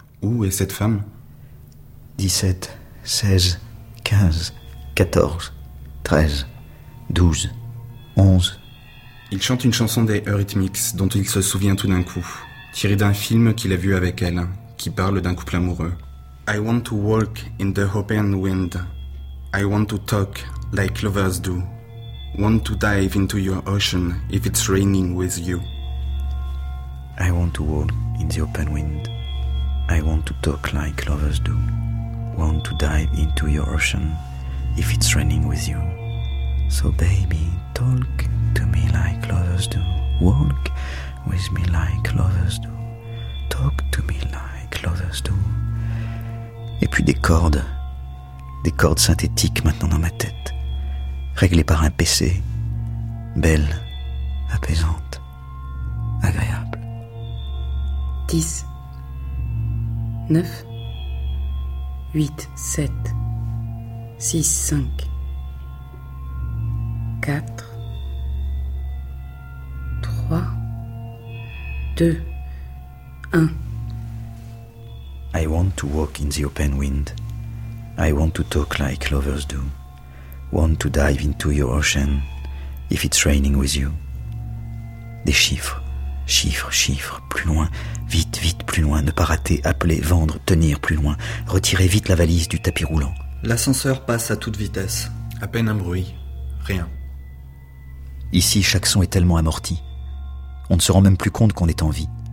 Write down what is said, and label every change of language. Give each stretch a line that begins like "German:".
French: Où est cette femme? 17, 16, 15, 14, 13, 12, 11. Il chante une chanson des Eurythmics dont il se souvient tout d'un coup, tirée d'un film qu'il a vu avec elle, qui parle d'un couple amoureux.
English: I want to walk in the open wind. I want to talk like lovers do. Want to dive into your ocean if it's raining with you. I want to walk in the open wind. I want to talk like lovers do. Want to dive into your ocean if it's raining with you. So baby, talk to me like lovers do. Walk with me like lovers do. Talk to me like lovers do.
French: Et puis des cordes synthétiques maintenant dans ma tête, réglées par un PC, belles, apaisantes, agréables. 10, 9, 8, 7, 6, 5, 4, 3, 2, 1.
English: I want to walk in the open wind. I want to talk like lovers do. Want to dive into your ocean if it's raining with you.
French: Des chiffres, chiffres, chiffres, plus loin. Vite, vite, plus loin, ne pas rater, appeler, vendre, tenir, plus loin. Retirer vite la valise du tapis roulant. L'ascenseur passe à toute vitesse. À peine un bruit, rien. Ici, chaque son est tellement amorti. On ne se rend même plus compte qu'on est en vie.